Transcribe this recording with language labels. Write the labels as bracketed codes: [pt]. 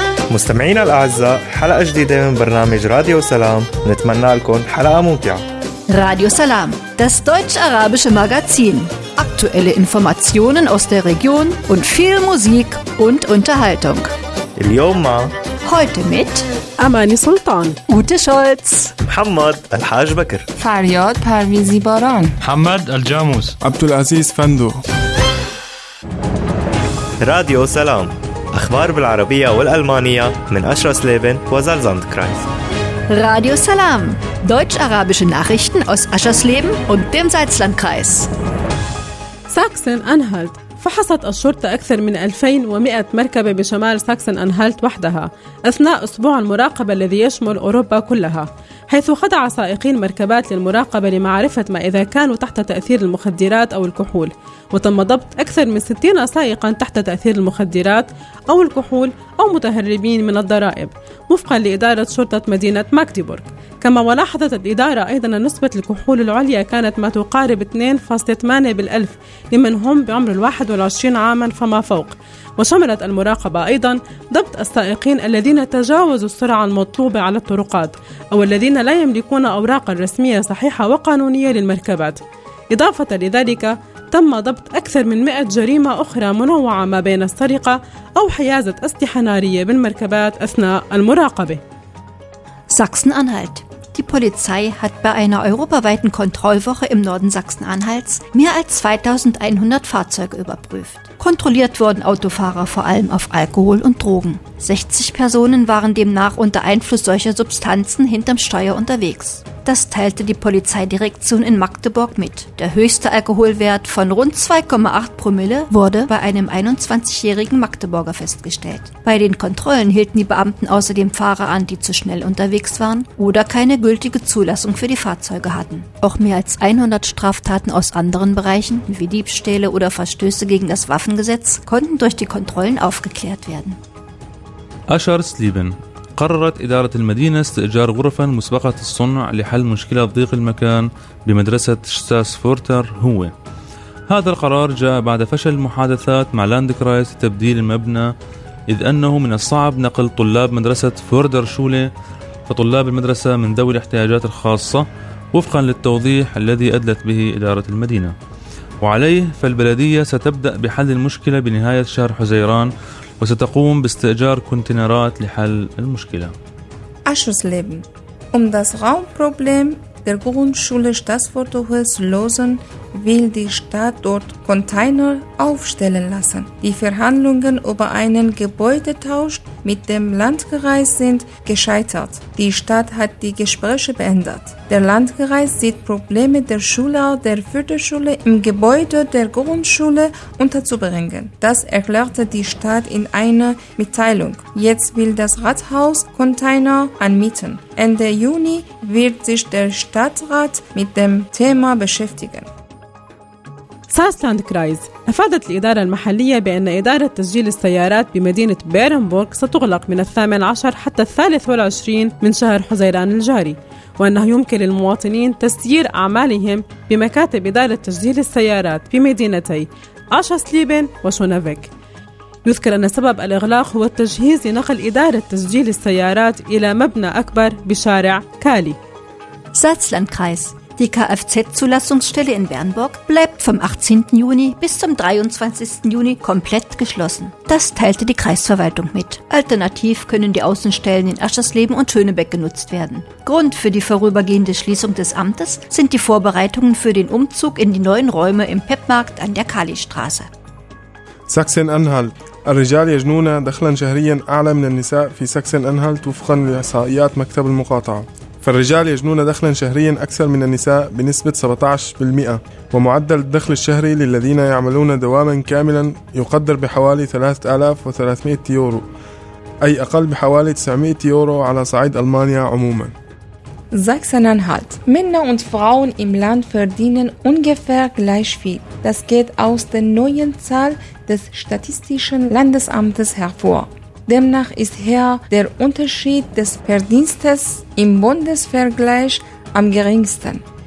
[ar] مستمعينا الأعزاء، حلقة جديدة من برنامج راديو سلام، نتمنى لكم حلقة ممتعة. [de] راديو سلام، das deutsche arabische Magazin. Aktuelle Informationen aus der Region und viel Musik und Unterhaltung. [ar] اليوم مع [de] heute mit Amani Sultan, Ute Scholz, [ar] محمد الحاج بكر، فرياد پرویزی باران، محمد الجاموس، عبدالعزیز فندو. راديو سلام، أخبار بالعربية والألمانية من أشرس ليبن وزلزاند كرايس. [de] راديو سلام، deutsch-arabische Nachrichten aus أشرس ليبن und dem Salzlandkreis. [ar] ساكسن أنهالت، فحصت الشرطة أكثر من 2100 مركبة بشمال ساكسن أنهالت وحدها أثناء أسبوع المراقبة الذي يشمل أوروبا كلها، حيث خضع سائقين مركبات للمراقبة لمعرفة ما إذا كانوا تحت تأثير المخدرات أو الكحول، وتم ضبط أكثر من 60 سائقا تحت تأثير المخدرات أو الكحول أو متهربين من الضرائب وفقا لإدارة شرطة مدينة ماكدبورغ. كما ولاحظت الإدارة أيضا أن نسبة الكحول العليا كانت ما تقارب 2.8 بالألف لمن هم بعمر 21 عاما فما فوق. وشملت المراقبة أيضا ضبط السائقين الذين تجاوزوا السرعة المطلوبة على الطرقات أو الذين لا يملكون أوراق رسمية صحيحة وقانونية للمركبات. إضافة لذلك تم ضبط أكثر من 100 جريمة أخرى منوعة ما بين السرقة أو حيازة أسلحة نارية بالمركبات أثناء المراقبة. [de] Sachsen-Anhalt. Die Polizei hat bei einer europaweiten Kontrollwoche im Norden Sachsen-Anhalts mehr als 2100 Fahrzeuge überprüft. Kontrolliert wurden Autofahrer vor allem auf Alkohol und Drogen. 60 Personen waren demnach unter Einfluss solcher Substanzen hinterm Steuer unterwegs. Das teilte die Polizeidirektion in Magdeburg mit. Der höchste Alkoholwert von rund 2,8 Promille wurde bei einem 21-jährigen Magdeburger festgestellt. Bei den Kontrollen hielten die Beamten außerdem Fahrer an, die zu schnell unterwegs waren oder keine gültige Zulassung für die Fahrzeuge hatten. Auch mehr als 100 Straftaten aus anderen Bereichen, wie Diebstähle oder Verstöße gegen das Waffengesetz, konnten durch die Kontrollen aufgeklärt werden. [ar] أشرس ليبن. قررت إدارة المدينة استئجار غرفا مسبقة الصنع لحل مشكلة ضيق المكان بمدرسة شتاس فورتر هو. هذا القرار جاء بعد فشل المحادثات مع لاندكرايس لتبديل المبنى، إذ أنه من الصعب نقل طلاب مدرسة فوردر شولة فطلاب المدرسة من ذوي الاحتياجات الخاصة وفقا للتوضيح الذي أدلت به إدارة المدينة. وعليه فالبلدية ستبدأ بحل المشكلة بنهاية شهر حزيران وستقوم باستئجار كونتينرات لحل المشكلة. أشرس ليبن. [de] Das Raumproblem der Grundschule Stadtforthohe zu lösen, will die Stadt dort Container aufstellen lassen. Die Verhandlungen über einen Gebäudetausch mit dem Landkreis sind gescheitert. Die Stadt hat die Gespräche beendet. Der Landkreis sieht Probleme der Schule der Förderschule im Gebäude der Grundschule unterzubringen. Das erklärte die Stadt in einer Mitteilung. Jetzt will das Rathaus Container anmieten. Ende Juni wird sich der Stadtrat mit dem Thema beschäftigen. [ar] ساسلاند كرايز. أفادت الإدارة المحلية بأن إدارة تسجيل السيارات بمدينة بيرنبورغ ستغلق من 18 حتى 23 من شهر حزيران الجاري، وأنه يمكن للمواطنين تسيير أعمالهم بمكاتب إدارة تسجيل السيارات في مدينتي أشرس ليبن وشونافيك. يذكر أن سبب الإغلاق هو التجهيز لنقل إدارة تسجيل السيارات إلى مبنى أكبر بشارع كالي. ساسلاند كرايز. [de] Die Kfz-Zulassungsstelle in Bernburg bleibt vom 18. Juni bis zum 23. Juni komplett geschlossen. Das teilte die Kreisverwaltung mit. Alternativ können die Außenstellen in Aschersleben Leben und Schönebeck genutzt werden. Grund für die vorübergehende Schließung des Amtes sind die Vorbereitungen für den Umzug in die neuen Räume im Peppmarkt an der Kalistraße. Sachsen-Anhalt. [ar] الرجال يجنون دخلا شهريا أعلى من النساء في ساكسن-أنهالت وفقا لإحصائيات مكتب المقاطعة. فالرجال يجنون دخلا شهريا أكثر من النساء بنسبة 17%، ومعدل الدخل الشهري للذين يعملون دواما كاملا يقدر بحوالي 3300 يورو، أي أقل بحوالي 900 يورو على صعيد ألمانيا عموما. [de] Sachsen-Anhalt. Männer und Frauen im Land verdienen ungefähr gleich viel. Das geht aus der neuen Zahl des Statistischen Landesamtes hervor. Demnach ist hier der Unterschied des Verdienstes im Bundesvergleich am geringsten.